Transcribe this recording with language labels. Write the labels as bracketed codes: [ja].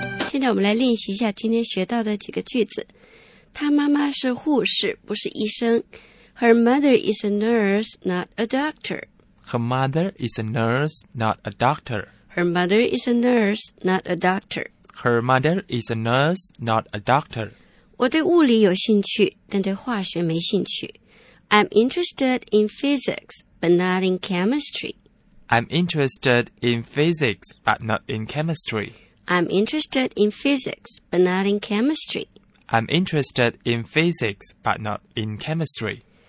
[zh] 现在我们来练习一下今天学到的几个句子。她妈妈是护士，不是医生。 [en] Her mother is a nurse, not a doctor. Her mother is a nurse, not a doctor. Her mother is a nurse, not a doctor. Her mother is a nurse, not a doctor. [zh] 我对物理有兴趣，但对化学没兴趣。 [en] I'm interested in physics, but not in chemistry. I'm interested in physics, but not in chemistry. I'm interested in physics, but not in chemistry. I'm interested in physics, but not in chemistry.